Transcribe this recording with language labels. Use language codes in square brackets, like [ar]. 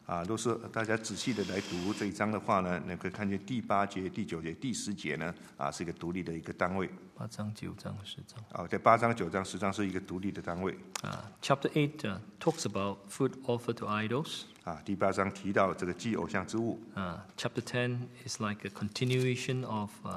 [zh] 若是大家仔细的来读这一章的话呢，你可以看见第八节、第九节、第十节呢，是一个独立的一个单位。八章、九章、十章。在八章、九章、十章是一个独立的单位。 [en] Chapter 8 talks about food offered to idols. [zh] 第八章提到这个祭偶像之物。 [en] Chapter 10 is like a continuation of